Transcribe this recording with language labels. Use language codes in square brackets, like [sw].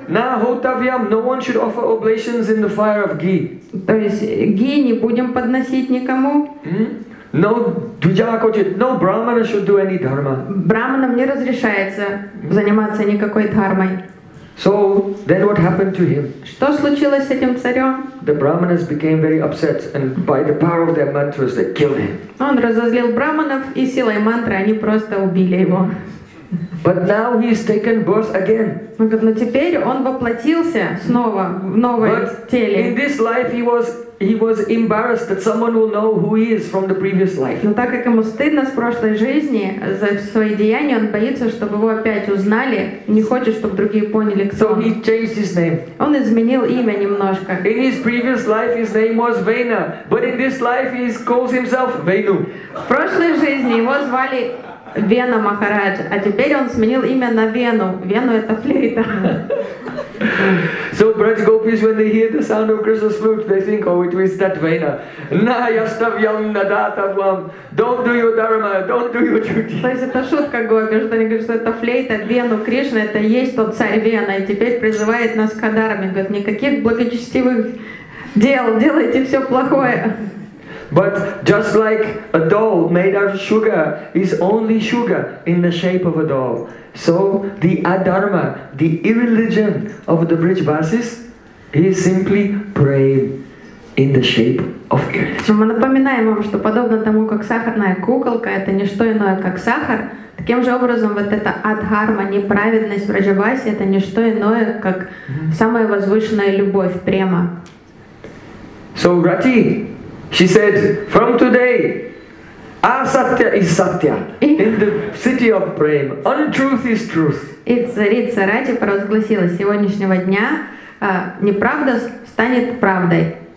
[sa] На хотабьям, [en] no one should offer oblations in the fire of ghee. [ru] То есть ги не будем подносить никому. [en] No, [sa] Dvijaka хочет, [en] no, Brahmana should do any dharma. [ru] Brahmanam не разрешается заниматься никакой дхармой. [en] So, then what happened to him? [ru] Что случилось с этим царем? [en] The Brahmanas became very upset, and by the power of their mantras, they killed him. [ru] Он разозлил Брахманов, и силой мантры они просто убили его. [en] But now he is taken birth again. [ru] Но теперь он воплотился снова в новое теле. [en] In this life he was embarrassed that someone will know who he is from the previous life. [ru] Но так как ему стыдно с прошлой жизни за свои деяния, он боится, чтобы его опять узнали. Не хочет, чтобы другие поняли, кто. [en] So he changed his name. [ru] Он изменил имя немножко. [en] In his previous life his name was Vena, but in this life he calls himself Venu. [ru] В прошлой жизни его звали Вена Махарадж, а теперь он сменил имя на Вену. Вену — это флейта. [en] So Braj Gopis, when they hear the sound of Krishna's flute, they think, oh, it was that Vena. [sa] Na yastavyam nadatavam. [en] Don't do your dharma, don't do your duty. [ru] То есть это шутка Гопи, что они говорят, что это флейта Вену Кришна, это есть тот царь Вена, и теперь призывает нас к дхарме. Говорит, никаких благочестивых дел, делайте все плохое. [en] But just like a doll made out of sugar is only sugar in the shape of a doll, so the adharma, the irreligion of the Brijvasis is simply praying in the shape of irreligion. [ru] Мы напоминаем вам, что подобно тому, как сахарная куколка — это не что иное, как сахар, таким же образом вот эта адхарма, неправедность в Брижбасе — это не что иное, как самая возвышенная любовь, према. [en] So, Rati, she said, from today, asatya is satya. In the city of Prem, untruth is truth. [ru] И царица Рати провозгласила, с сегодняшнего дня неправда станет правдой.